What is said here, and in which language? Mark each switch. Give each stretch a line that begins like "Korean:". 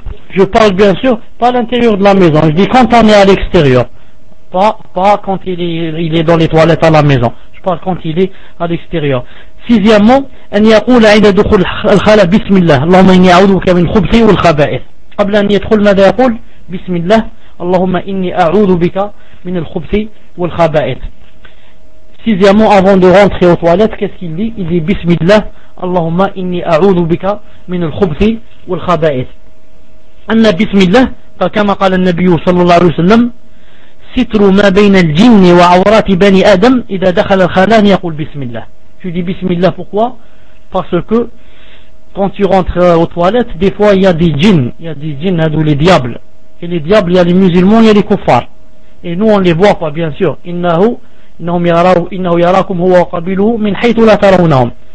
French: Je parle bien sûr pas à l'intérieur de la maison, je dis quand on est à l'extérieur, pas quand il est dans les toilettes à la maison, je parle quand il est à l'extérieur. Sixièmement,
Arabic: أن يقول عند دخول الخلاء بسم الله اللهم إني أعوذ بك من خبثي والخبائث. قبل أن يدخل ماذا يقول؟ بسم الله اللهم إني أعوذ بك من الخبثي والخبائث.
French: Sixièmement, avant de rentrer aux toilettes, qu'est-ce qu'il dit? Il dit
Arabic: بسم الله اللهم إني أعوذ بك من الخبثي والخبائث. أن بسم الله فكما قال النبي صلى الله عليه وسلم ستر ما بين الجن وعورات بني آدم إذا دخل الخلاء يقول بسم الله.
French: Tu dis bismillah pourquoi? Parce que quand tu rentres aux toilettes, des fois il y a des djinns, il y a des djinns ou les diables. Et les diables, il y a les musulmans, il y a les kuffars. Et nous on les voit pas bien sûr.
Arabic: Innahu yarakum huwa qabiluhu min haythu la tarawnahum.